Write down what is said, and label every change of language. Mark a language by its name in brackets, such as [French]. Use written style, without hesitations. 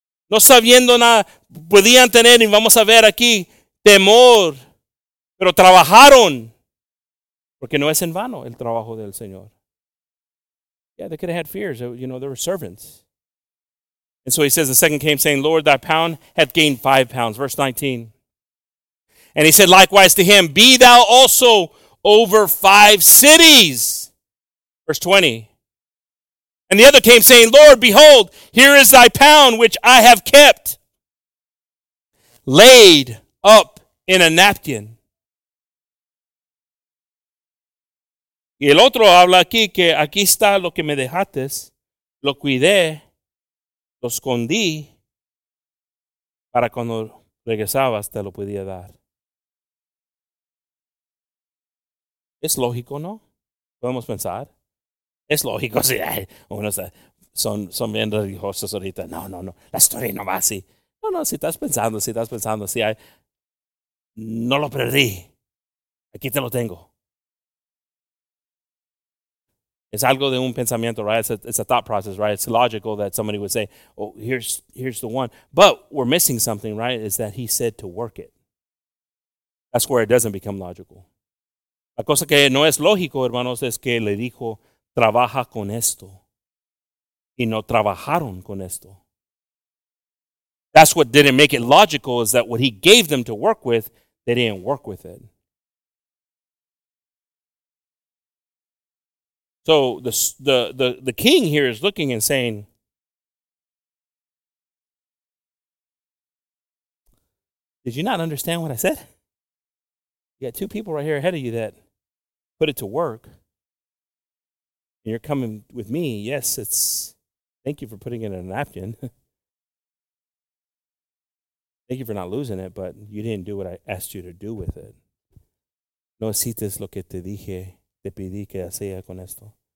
[Spanish] No sabiendo nada, podían tener, y vamos a ver aquí, temor, pero trabajaron. Porque no es en vano el trabajo del Señor. [English] Yeah, they could have had fears. You know, they were servants. And so he says, the second came saying, Lord, thy pound hath gained 5 pounds. Verse 19. And he said likewise to him, be thou also over 5 cities. Verse 20. And the other came saying, Lord, behold, here is thy pound which I have kept laid up in a napkin. [Spanish] Y el otro habla aquí, que aquí está lo que me dejaste, lo cuidé, lo escondí, para cuando regresabas te lo podía dar. Es lógico, ¿no? Podemos pensar. Es lógico, sí. Uno está, son bien religiosos ahorita. No. La historia no va así. No, si estás pensando, sí. No lo perdí. Aquí te lo tengo. Es algo de un pensamiento, [English] right? It's a thought process, right? It's logical that somebody would say, oh, here's the one. But we're missing something, right? Is that he said to work it. That's where it doesn't become logical. [Spanish] La cosa que no es lógico, hermanos, es que le dijo, trabaja con esto. Y no trabajaron con esto. [English] That's what didn't make it logical, is that what he gave them to work with, they didn't work with it. So the king here is looking and saying, did you not understand what I said? You got two people right here ahead of you that put it to work. And you're coming with me. Yes, it's, thank you for putting it in a napkin. Thank you for not losing it, but you didn't do what I asked you to do with it. [Spanish] No hiciste lo que te dije, te pedí que hacía con esto.